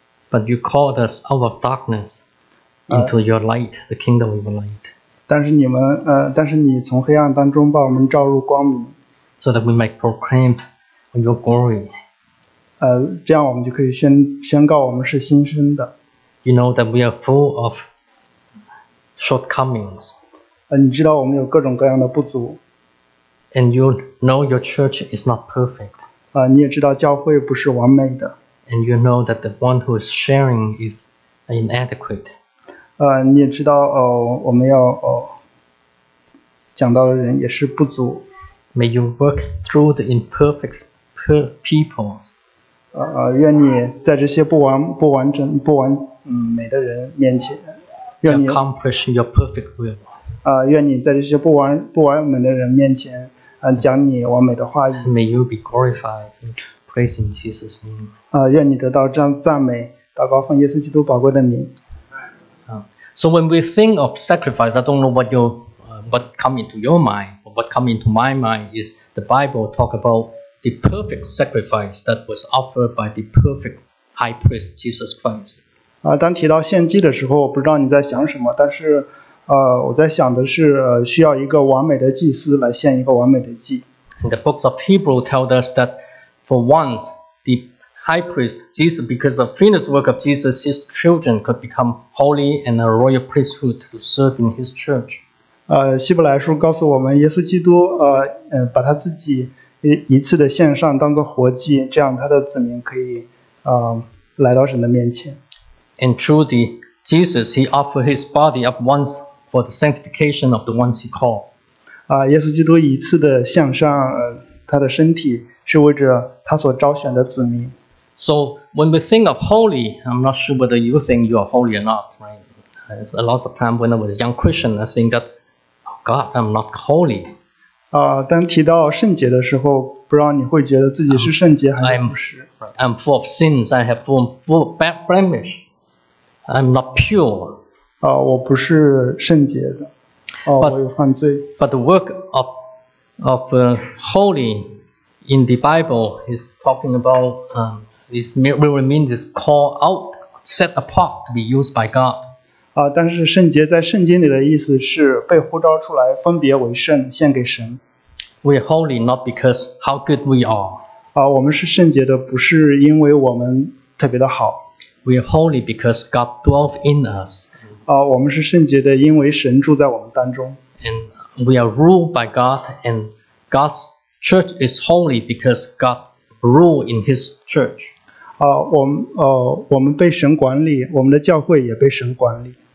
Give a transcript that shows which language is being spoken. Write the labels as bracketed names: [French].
[English] But you called us out of darkness into your light, the kingdom of light. [Chinese] 但是你从黑暗当中把我们召入光明。 [English] So that we might proclaim your glory. [Chinese] 这样我们就可以宣告我们是新生的。 [English] You know that we are full of shortcomings. [Chinese] 你知道我们有各种各样的不足。 [English] And you know your church is not perfect. [Chinese] 你也知道教会不是完美的。 [English] And you know that the one who is sharing is inadequate. [Chinese] 你也知道我们要讲道的人也是不足。 [English] May you work through the imperfect people. [Chinese] 愿你在这些不完美的人面前，愿你 [English] accomplish your perfect will. [Chinese] 愿你在这些不完美的人面前，讲你完美的话语。 [English] May you be glorified and praised in Jesus' name. [Chinese] 愿你得到赞美，祷告奉耶稣基督宝贵的名。 [English] So when we think of sacrifice, I don't know what come into your mind. What comes into my mind is the Bible talk about the perfect sacrifice that was offered by the perfect high priest Jesus Christ. [Chinese] 当提到献祭的时候，我不知道你在想什么，但是我在想的是需要一个完美的祭司来献一个完美的祭。 [English] And the books of Hebrew tell us that for once the high priest Jesus, because of finished work of Jesus, his children could become holy and a royal priesthood to serve in his church. [Chinese] 希伯来书告诉我们，耶稣基督把他自己一次的献上当作活祭，这样他的子民可以来到神的面前。 [English] And through the Jesus, he offered his body up once for the sanctification of the ones he called. [Chinese] 耶稣基督一次的献上他的身体，是为着他所招选的子民。 [English] So when we think of holy, I'm not sure whether you think you are holy or not, right? A lot of time when I was a young Christian, I think that. God, I'm not holy. [Chinese] 当提到圣洁的时候，不知道你会觉得自己是圣洁还是不是。 [English] I'm full of sins. I have full of bad blemish. I'm not pure. [Chinese] 我不是圣洁的。我有犯罪。 [English] But the work of holy in the Bible is talking about this really means this call out, set apart to be used by God. [Chinese] 但是圣洁在圣经里的意思是被呼召出来，分别为圣，献给神。 [English] We are holy not because how good we are. [Chinese] 我们是圣洁的，不是因为我们特别的好。 [English] We are holy because God dwells in us. [Chinese] 我们是圣洁的，因为神住在我们当中。 [English] And we are ruled by God, and God's church is holy because God rules in His church. [Chinese] 我们被神管理，我们的教会也被神管理。